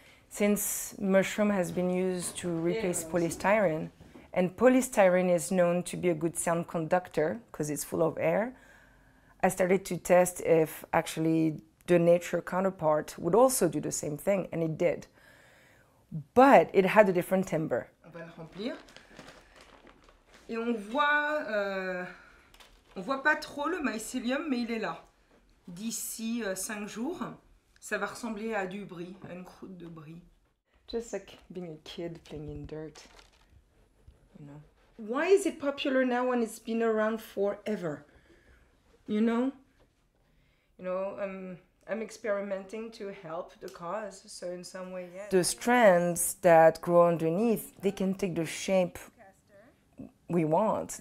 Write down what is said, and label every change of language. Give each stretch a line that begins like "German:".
English: Since mushroom has been used to replace polystyrene, and polystyrene is known to be a good sound conductor because it's full of air, I started to test if actually the nature counterpart would also do the same thing, and it did. But it had a different timbre.
French: On va le remplir. Et on voit, on voit pas trop le mycelium, mais il est là. D'ici 5 jours, ça va ressembler à du brie, à une croûte de brie.
English: Just like being a kid playing in dirt. You know. Why is it popular now when it's been around forever? You know, I'm experimenting to help the cause, so in some way, yeah. The strands that grow underneath, they can take the shape we want.